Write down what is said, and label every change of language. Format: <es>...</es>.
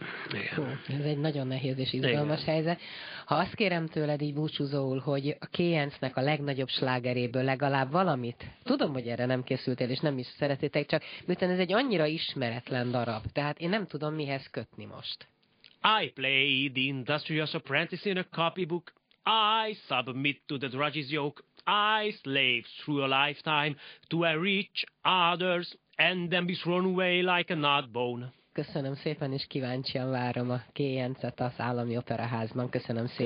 <hu>Igen. Ez egy nagyon nehéz és izgalmas igen. helyzet. Ha azt kérem tőled így búcsúzóul, hogy a Kéncnek a legnagyobb slágeréből legalább valamit, tudom, hogy erre nem készültél, és nem is szeretitek, csak miután ez egy annyira ismeretlen darab, tehát én nem tudom mihez kötni most.</hu> <en>I played industrious apprentice in a copybook. I submit to the drudge's yoke. I slave through a lifetime to a rich others and then be thrown away like a nut bone.</en> <hu>Köszönöm szépen, és kíváncsian várom a K. Jencet az Állami Operaházban. Köszönöm szépen.</hu>